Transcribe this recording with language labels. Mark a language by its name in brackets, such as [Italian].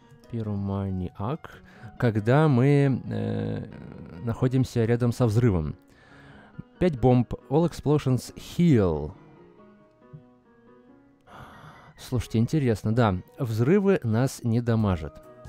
[Russian] Пироманьяк. Когда мы находимся рядом со взрывом. 5 бомб, [English] all explosions heal. [Russian] Слушайте, интересно, да, взрывы нас не дамажат.